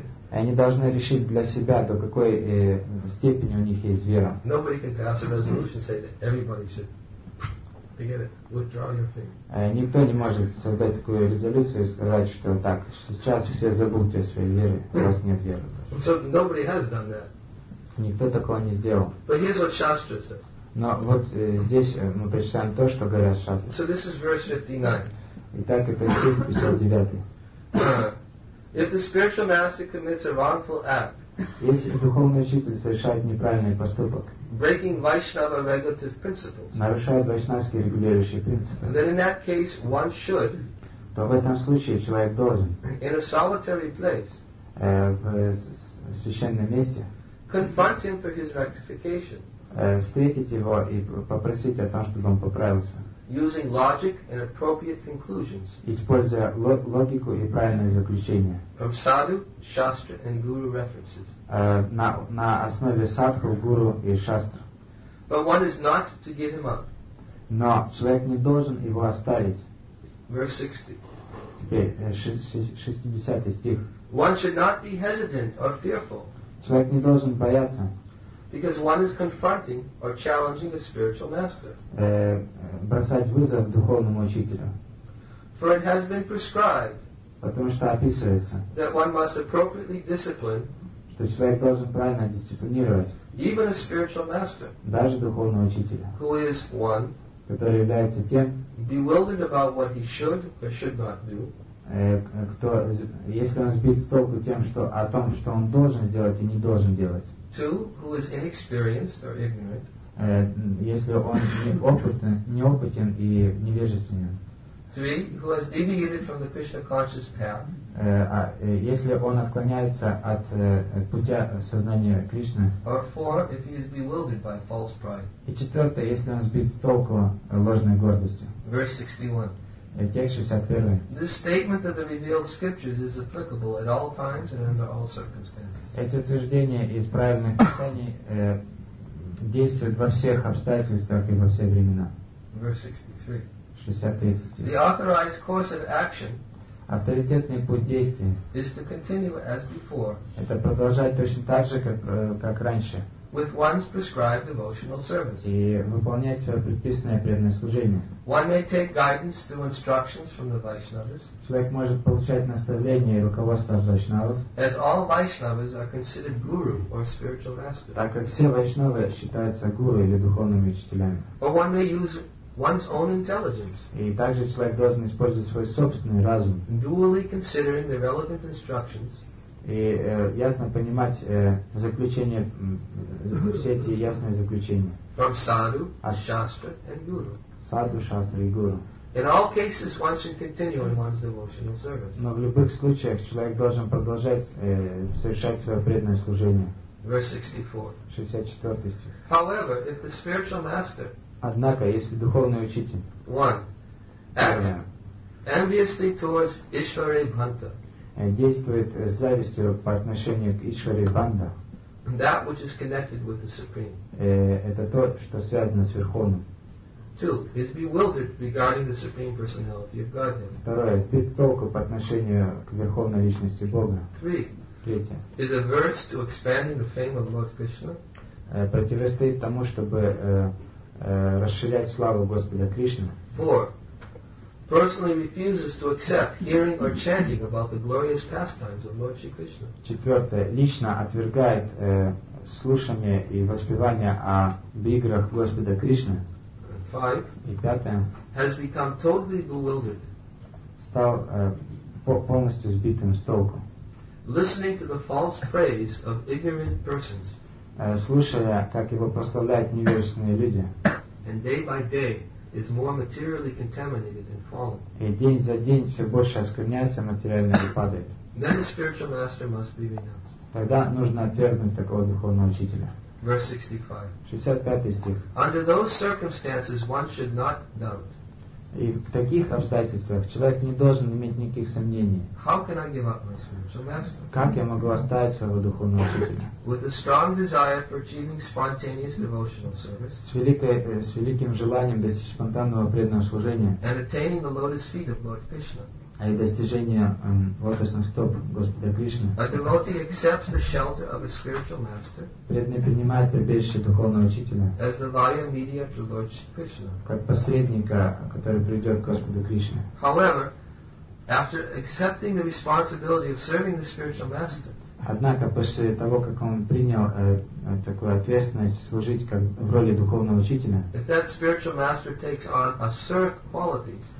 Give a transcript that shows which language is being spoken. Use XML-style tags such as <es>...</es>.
<ru>И они должны решить для себя, до какой степени у них есть вера.</ru> <en>Nobody can pass a resolution and say that everybody should.</en> <ru>Никто не может создать такую резолюцию и сказать, что так, сейчас все забудьте о своей вере, у вас нет веры.</ru> <en>So nobody has done that.</en> <ru>Никто такого не сделал.</ru> <en>But here's what Shastra said.</en> <ru>Но вот здесь мы прочитаем то, что говорят Шастры.</ru> <en>So this is verse 59.</en> <ru>Итак, это стих 59.</ru> <en>If the spiritual master commits a wrongful act,</en> <ru>если духовный учитель совершает неправильный поступок,</ru> <en>breaking Vaishnava regulative principles,</en> <ru>нарушает вайшнавские регулирующие принципы,</ru> <en>then in that case one should,</en> <ru>то в этом случае человек должен,</ru> <en>in a solitary place,</en> <ru>в священном месте,</ru> <en>confront him for his rectification,</en> <ru>встретить его и попросить о том, чтобы он поправился,</ru> <en>using logic and appropriate conclusions,</en> <ru>используя логику и правильное заключение,</ru> <en>from sadhu, shastra and guru references,</en> <ru>на основе садху, гуру и шастр.</ru> <en>But one is not to give him up.</en> <ru>Но человек не должен его оставить.</ru> <en>Verse 60.</en> <ru>60-й стих.</ru> <en>One should not be hesitant or fearful.</en> <ru>Человек не должен бояться.</ru> <en>Because one is confronting or challenging a spiritual master.</en> <ru>Бросать вызов духовному учителю.</ru> <en>For it has been prescribed.</en> <ru>Потому что описывается.</ru> <en>That one must appropriately discipline.</en> <ru>Что человек должен правильно дисциплинировать.</ru> <en>Even a spiritual master.</en> <ru>Даже духовного учителя.</ru> <en>Who is one.</en> <ru>Который является тем.</ru> <en>Bewildered about what he should or should not do.</en> <ru>Кто, если он сбит с толку тем, что о том, что он должен сделать и не должен делать.</ru> <en>Two, who is inexperienced or ignorant.</en> <ru>Если он неопытен и невежественен.</ru> <en>Three, who has deviated from the Krishna conscious path.</en> <ru>Если он отклоняется от путя сознания Кришны.</ru> <en>Or four, if he is bewildered by false pride.</en> <ru>И четвертое, если он сбит с толку ложной гордостью.</ru> <en>Verse 61. This statement of the revealed scriptures is applicable at all times and under all circumstances.</en> <ru>Эти утверждения из правильных писаний действуют во всех обстоятельствах и во все времена.</ru> <en>Verse 63. The authorized course of action.</en> <ru>Авторитетный путь действий.</ru> <en>Is to continue as before.</en> <ru>Это продолжать точно так же, как раньше.</ru> <en>With one's prescribed devotional service.</en> <ru>И выполнять свое предписанное преданное служение.</ru> <en>One may take guidance through instructions from the Vaishnavas.</en> <ru>Человек может получать наставления и руководство от Вайшнавов.</ru> <en>As all Vaishnavas are considered guru or spiritual master.</en> <ru>Так как все Вайшнавы считаются гуру или духовными учителями.</ru> <en>Or one may use one's own intelligence.</en> <ru>И также человек должен использовать свой собственный разум.</ru> <en>Dually considering the relevant instructions.</en> <ru>И ясно понимать заключение, все эти ясные заключения.</ru> <en>From sadhu, shastra and guru.</en> <ru>Sadhu, shastra и guru.</ru> <en>In all cases, one should continue in one's devotional service.</en> <ru>Но в любых случаях человек должен продолжать совершать свое преданное служение.</ru> <en>Verse 64.</en> <ru>64 стих.</ru> <en>However, if the spiritual master.</en> <ru>Однако, если духовный учитель.</ru> <en>One. Acts enviously towards Ishvari Bhanta.</en> <ru>Действует с завистью по отношению к Ишваре Банда.</ru> <en>That which is connected with the Supreme.</en> <ru>Это то, что связано с Верховным.</ru> <en>Two, is bewildered regarding the Supreme Personality of Godhead.</en> <ru>Второе, сбит с толку по отношению к Верховной Личности Бога.</ru> <en>Three,</en> <ru>третье,</ru> <en>is averse to expanding the fame of Lord Krishna.</en> <ru>Противостоит тому, чтобы расширять славу Господа Кришны.</ru> <en>Four, personally refuses to accept hearing or chanting about the glorious pastimes of Lord Shri Krishna.</en> <ru>Четвертое. Лично отвергает слушание и воспевание о биграх Господа Кришны.</ru> <en>Five.</en> <ru>И пятое.</ru> <en>Has become totally bewildered.</en> <ru>Стал полностью сбитым с толку.</ru> <en>Listening to the false praise of ignorant persons.</en> <ru>Слушая, как его прославляют невежественные люди.</ru> <en>And day by day. Is more materially contaminated and fallen.</en> <ru>И день за день все больше оскверняется материально и падает.</ru> <en>Then the spiritual master must be renounced.</en> <ru>Тогда нужно отвергнуть такого духовного учителя.</ru> <en>Verse 65.</en> <ru>65 стих.</ru> <en>Under those circumstances, one should not doubt.</en> <ru>И в таких обстоятельствах человек не должен иметь никаких сомнений.</ru> <en>How can I give up my spiritual master?</en> <ru>Как я могу оставить своего духовного учителя?</ru> <en>With a strong desire for achieving spontaneous devotional service.</en> <ru>С великим желанием достичь спонтанного преданного служения.</ru> <en>And attaining the lotus feet of Lord Krishna.</en> <ru>И достижение лотосных стоп Господа Кришны.</ru> <en>A devotee accepts the shelter of a spiritual master.</en> <ru>Преданный принимает прибежище духовного учителя.</ru> <en>As the vaya mediator of Lord Krishna.</en> <ru>Как посредника, который придет к Господу Кришне.</ru> <en>However, after accepting the responsibility of serving the spiritual master.</en> <ru>Однако после того, как он принял такую ответственность служить как в роли духовного учителя.</ru> <en>If that spiritual master takes on asuric qualities.</en>